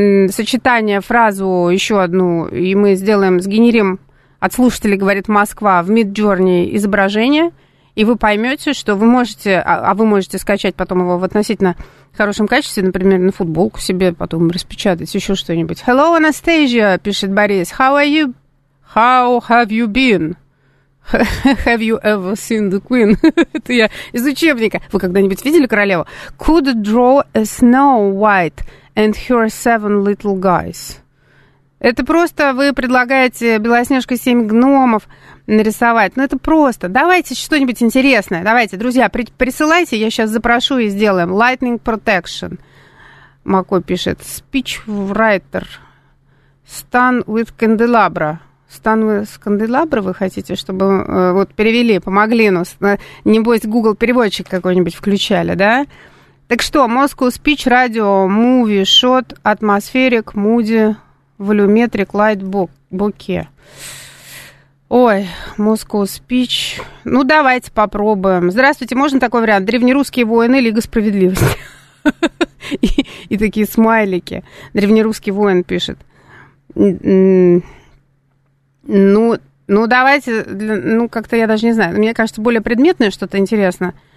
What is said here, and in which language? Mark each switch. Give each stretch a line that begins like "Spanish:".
Russian: Сочетание, фразу еще одну, и мы сделаем, сгенерим от слушателей, говорит Москва, в Midjourney изображение, и вы поймете, что вы можете, а вы можете скачать потом его в относительно хорошем качестве, например, на футболку себе потом распечатать, еще что-нибудь.
English: Hello, Anastasia,
Russian: пишет Борис.
English: How are you? How have you been? Have you ever seen the queen?
Russian: Это я из учебника. Вы когда-нибудь видели королеву?
English: Could draw a Snow White and her seven little guys.
Russian: Это просто вы предлагаете Белоснежке семь гномов нарисовать. Ну, это просто. Давайте что-нибудь интересное. Давайте, друзья, присылайте, я сейчас запрошу и сделаем.
English: Lightning Protection.
Russian: Мако пишет.
English: Speech writer. Stand with candelabra. Stand with candelabra
Russian: вы хотите, чтобы вот перевели, помогли нас. Небось, Google переводчик какой-нибудь включали, да? Так что,
English: Moscow Speech, радио, movie, shot, atmospheric, moody, volumetric, light, bokeh.
Russian: Ой, Moscow Speech. Ну, давайте попробуем. Здравствуйте, можно такой вариант? Древнерусские воины, Лига справедливости. И такие смайлики. Древнерусский воин пишет. Ну, давайте, ну, как-то я даже не знаю. Мне кажется, более предметное что-то интересно.